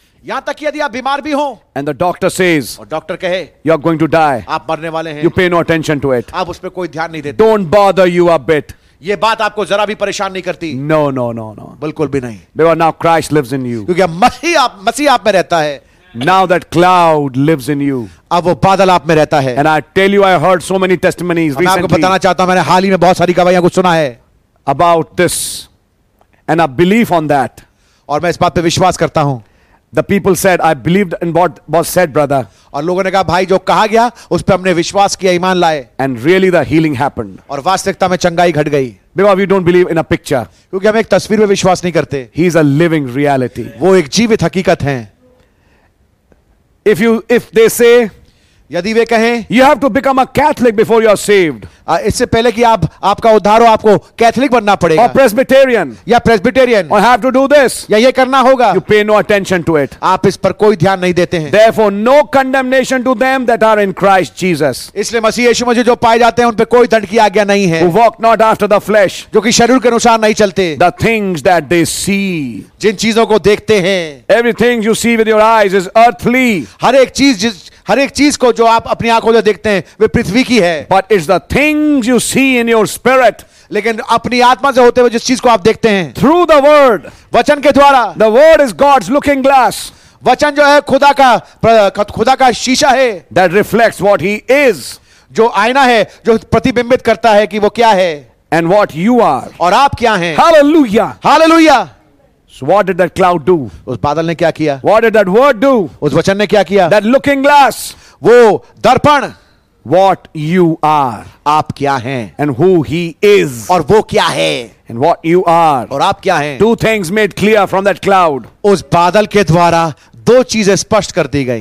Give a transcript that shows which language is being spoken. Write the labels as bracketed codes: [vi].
[hi] यहां तक यदि आप बीमार भी हो. [en] And the doctor says. [hi] और डॉक्टर कहे. [en] You are going to die. [hi] आप मरने वाले हैं. [en] You pay no attention to it. [hi] आप उस पर कोई ध्यान नहीं देते. [en] Don't bother you a bit. [hi] ये बात आपको जरा भी परेशान नहीं करती. [en] No no no no. [hi] बिल्कुल भी नहीं. [en] Because now Christ lives in you. [hi] क्योंकि मसीह आप में रहता है. [en] Now that cloud lives in you. [hi] अब वो बादल आप में रहता है. [en] And I tell you, I heard so many testimonies recently. [hi] मैं आपको बताना चाहता हूं, मैंने हाल ही में बहुत सारी गवाहियां कुछ सुना है. [en] About this and I believe on that. [hi] और मैं इस बात पे विश्वास करता हूं. [en] The people said, I believed in what was said, brother. [hi] और लोगों ने कहा भाई जो कहा गया उस पर हमने विश्वास किया, ईमान लाए. [en] And really the healing happened. [hi] और वास्तविकता में चंगाई घट गई. [en] Because we don't believe in a picture. [hi] क्योंकि हम एक तस्वीर में विश्वास नहीं करते. [en] He is a living reality. [hi] वो एक जीवित हकीकत है. [en] If they say, [hi] यदि वे कहें, [en] you have to become a Catholic before you are saved. [hi] इससे पहले कि आपका उद्धार हो आपको कैथोलिक बनना पड़ेगा. [en] Or Presbyterian. [hi] या Presbyterian. [en] Or have to do this. [hi] या ये करना होगा. [en] You pay no attention to it. [hi] आप इस पर कोई ध्यान नहीं देते हैं. [en] Therefore, no condemnation to them that are in Christ Jesus. [hi] इसलिए मसीह यीशु में जो पाए जाते हैं उन पर कोई दंड की आज्ञा नहीं है. [en] Who walk not after the flesh. [hi] जो कि शरीर के अनुसार नहीं चलते. [en] The things that they see. [hi] जिन चीजों को देखते हैं. [en] Everything you see with your eyes is earthly. [hi] हर एक चीज को जो आप अपनी आंखों से देखते हैं वे पृथ्वी की है. [en] But it's the things you see in your spirit. [hi] लेकिन अपनी आत्मा से होते हुए जिस चीज को आप देखते हैं. [en] Through the word. [hi] वचन के द्वारा. [en] The word is God's looking glass. [hi] वचन जो है खुदा का शीशा है. [en] That reflects what he is. [hi] जो आईना है जो प्रतिबिंबित करता है कि वो क्या है. [en] And what you are. [hi] और आप क्या हैं. [en] Hallelujah. Hallelujah. So what did that cloud do? [hi] उस बादल ने क्या किया? [en] What did that word do? [hi] उस वचन ने क्या किया? [en] That looking glass. [hi] वो दर्पण. [en] What you are. [hi] आप क्या हैं? [en] And who he is. [hi] और वो क्या है? [en] And what you are. [hi] और आप क्या हैं? [en] Two things made clear from that cloud. [hi] उस बादल के द्वारा दो चीजें स्पष्ट कर दी गई.